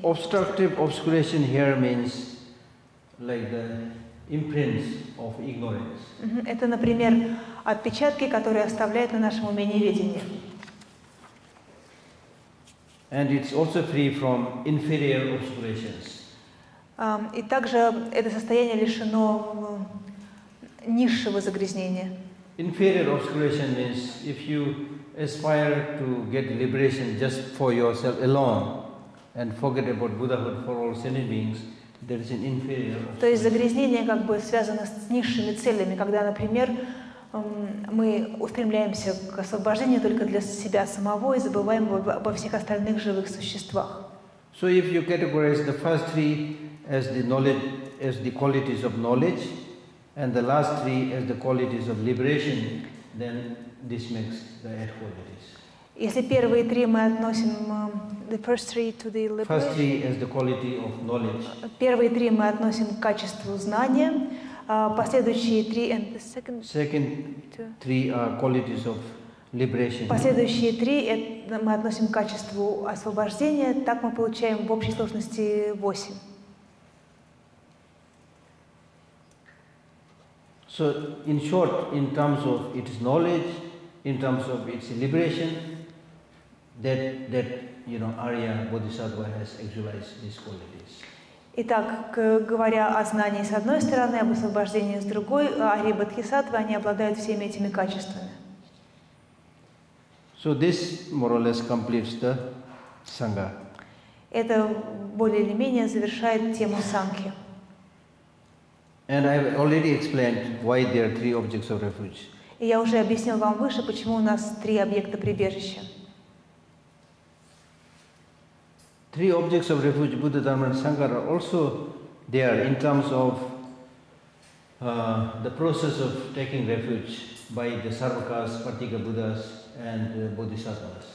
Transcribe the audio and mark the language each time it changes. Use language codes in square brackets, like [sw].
[en] Obstructive obscuration here means like the imprints of ignorance. [ru] Это, например, отпечатки, которые оставляют на нашем уме неведение. [en] And it's also free from inferior obscurations. [ru] И также это состояние лишено низшего загрязнения. [en] Inferior obscuration means if you aspire to get liberation just for yourself alone and forget about Buddhahood for all sentient beings, there is an inferior obscuration. [ru] То есть загрязнение как бы связано с низшими целями, когда, например, мы устремляемся к освобождению только для себя самого и забываем обо всех остальных живых существах. [en] So if you categorize the first three as the knowledge, as the qualities of knowledge, And the last three as the qualities of liberation, then this makes the eight qualities. [ru] Если первые три мы относим [en] the first three to the liberation. First three as the quality of knowledge. [ru] Первые три мы относим к качеству знания, последующие три [en] and the second. Second three are qualities of liberation. [ru] Последующие три это мы относим к качеству освобождения, так мы получаем в общей сложности 8. [en] So in short, in terms of its knowledge, in terms of its liberation, that you know, Arya Bodhisattva has actualized these qualities. [ru] Итак, говоря о знании с одной стороны, об освобождении с другой, Арья Бодхисаттва, они обладают всеми этими качествами. [en] So this more or less completes the sangha. [ru] Это более или менее завершает тему сангхи. [en] And I have already explained why there are three objects of refuge. [ru] И я уже объяснил вам выше, почему у нас три объекта прибежища. [en] Three objects of refuge, Buddha, Dharma, and Sangha, are also there in terms of the process of taking refuge by the Sarvakas, Pratika Buddhas, and Bodhisattvas.